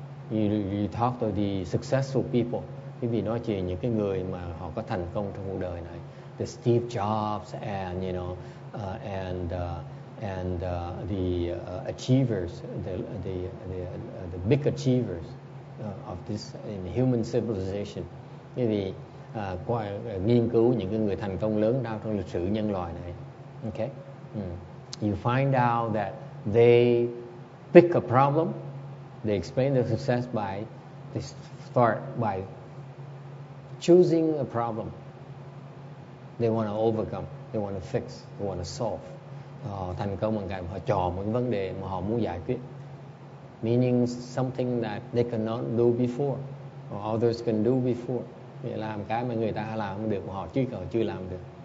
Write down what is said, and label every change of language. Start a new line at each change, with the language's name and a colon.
English: You talk to the successful people.
Vietnamese: Quý vị nói chuyện những cái người mà họ có thành công trong cuộc đời này.
English: The Steve Jobs and the achievers, the big achievers of this in human civilization.
Vietnamese: Quý vị qua nghiên cứu những cái người thành công lớn nào trong lịch sử nhân loại này. Okay.
English: You find out that they pick a problem. They explain their success by they start by choosing a problem they want to overcome, they want to fix, they want to solve.
Vietnamese: Họ thành công bằng cách họ chọn một vấn đề mà họ muốn giải quyết.
English: Meaning something that they cannot do before, or others can do before.
Vietnamese: Nghĩa là một cái mà người ta làm không được, mà họ chưa làm được.